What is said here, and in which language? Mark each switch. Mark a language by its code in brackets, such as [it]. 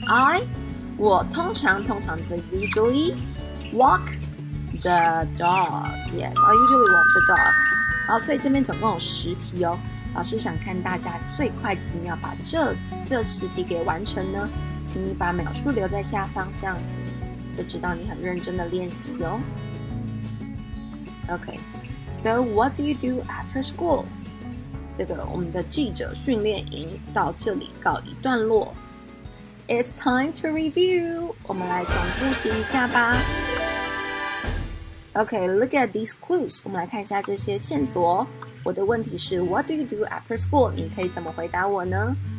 [en] I, [zh] 我通常的 [en] usually walk the dog. Yes, I usually walk the dog. [zh] 好，所以这边总共有十题哦。老师想看大家最快几秒把这十题给完成呢？请你把秒数留在下方，这样子就知道你很认真的练习哦。 [en] Okay, so what do you do after school? [zh] 这个我们的记者训练营到这里告一段落。 [en] It's time to review. [zh] 我们来总复习一下吧。 [en] Okay, look at these clues. [zh] 我们来看一下这些线索。我的问题是 [en] What do you do after school? [zh] 你可以怎么回答我呢？